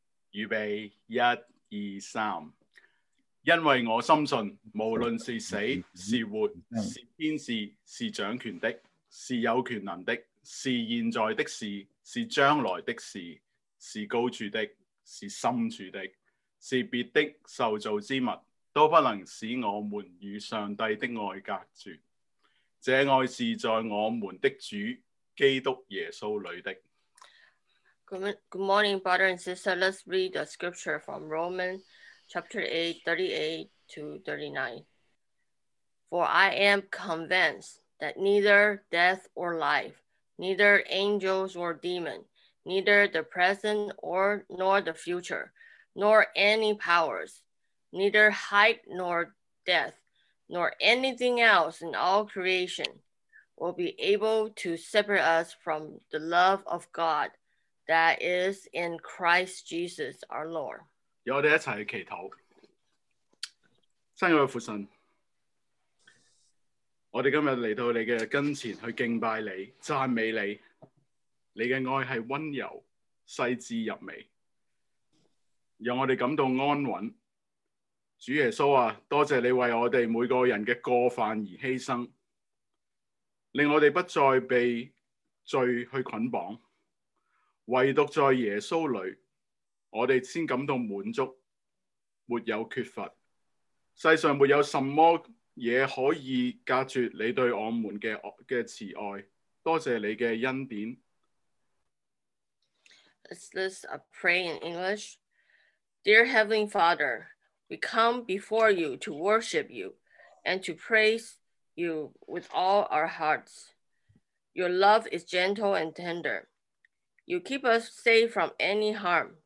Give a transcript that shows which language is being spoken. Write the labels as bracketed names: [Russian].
[Chinese] 预备，一、二、三。因为我深信，无论是死是活，是天使是掌权的，是有权能的，是现在的事，是将来的事，是高处的，是深处的，是别的受造之物，都不能使我们与上帝的爱隔绝。这爱是在我们的主基督耶稣里的。 [English] Good morning, brother and sister. Let's read the scripture from Romans chapter 8, 38 to 39. For I am convinced that neither death or life, neither angels or demons,neither the present or nor the future, nor any powers, neither height nor depth, nor anything else in all creation will be able to separate us from the love of God that is in Christ Jesus our Lord. [Chinese] 让我们一起祈祷。亲爱的父神，我们今天来到你的跟前去敬拜你，赞美你。你的爱是温柔细致入微，让我们感到安稳。主耶稣啊，多谢你为我们每个人的过犯而牺牲，令我们不再被罪去捆绑，唯独在耶稣里我们才感到满足，没有缺乏。世上没有什么也可以隔绝你对我们的慈爱，多谢你的恩典。 [English] Let's pray in English. Dear Heavenly Father, we come before you to worship you and to praise you with all our hearts. Your love is gentle and tender. You keep us safe from any harm.